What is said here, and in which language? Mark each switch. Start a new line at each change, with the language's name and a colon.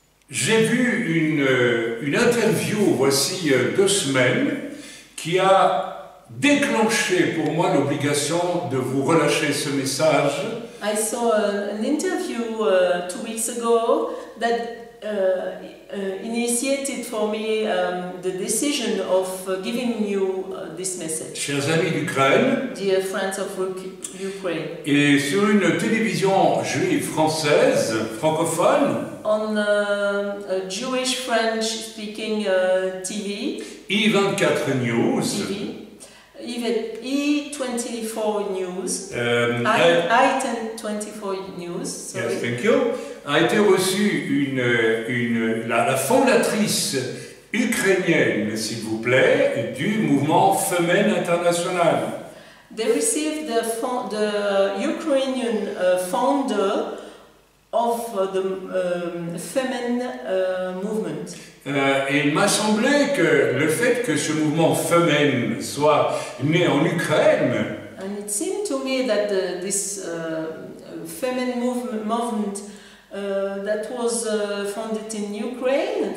French: J'ai vu une interview voici 2 semaines qui a déclencher pour moi l'obligation de vous relâcher ce message.
English: I saw an interview 2 weeks ago that initiated for me the decision of giving you this message.
French: Chers amis d'Ukraine.
English: Dear friends of Ukraine.
French: Et sur une télévision juive française, francophone.
English: On a Jewish French speaking TV.
French: E24 News.
English: TV. Even E24 News, I-24 News, sorry. Yes, thank you.
French: A été reçue la fondatrice ukrainienne, s'il vous plaît, du mouvement Femmes Internationales.
English: They received the Ukrainian founder of the Femmes movement.
French: Et il m'a semblé que le fait que ce mouvement Femmes soit né en Ukraine.
English: And it seemed to me that this Femmes movement that was founded in Ukraine.